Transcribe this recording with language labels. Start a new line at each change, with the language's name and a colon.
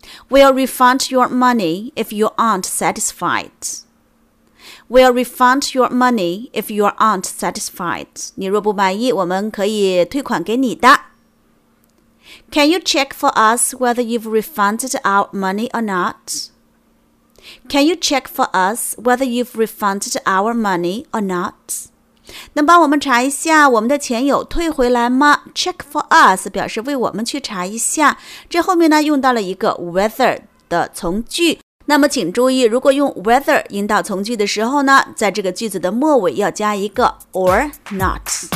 English: We'll refund your money if you aren't satisfied. We'll refund your money if you aren't satisfied.
Chinese: 你若不满意，我们可以退款给你的。
English: Can you check for us whether you've refunded our money or not? Can you check for us whether you've refunded our money or not?
Chinese: 能帮我们查一下我们的钱有退回来吗？
English: Check for us
Chinese: 表示为我们去查一下。这后面呢用到了一个 whether 的从句。那么请注意，如果用 whether 引导从句的时候呢，在这个句子的末尾要加一个 or not。